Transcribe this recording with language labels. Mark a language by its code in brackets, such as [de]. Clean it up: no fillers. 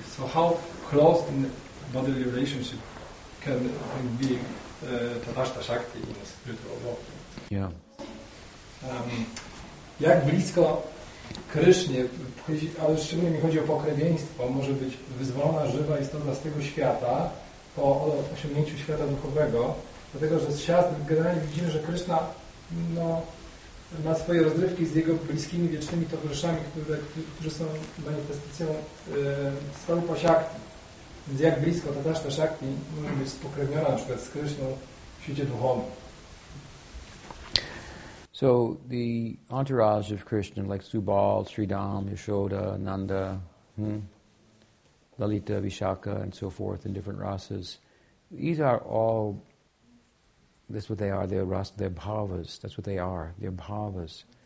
[en] So how close in bodily relationship can be Tatashta Shakti in the spiritual world? Yeah. [pl] Jak blisko Krysznie, ale szczególnie mi chodzi o pokrewieństwo, może być wyzwolona żywa istota z tego świata po osiągnięciu świata duchowego, dlatego że z siast generalnie widzimy, że Kryszna no, ma swoje rozrywki z jego bliskimi, wiecznymi towarzyszami, którzy są manifestacją swarupa Shakti. Więc jak blisko Tatashta Shakti może być spokrewniona na przykład z Kryszną w świecie duchowym. [en] So the entourage of Krishna, like Subal, Sridham, Yashoda, Nanda, Lalita, Vishaka, and so forth, in different rasas, these are all, that's what they are, they're rasas, they're bhavas, that's what they are, they're bhavas.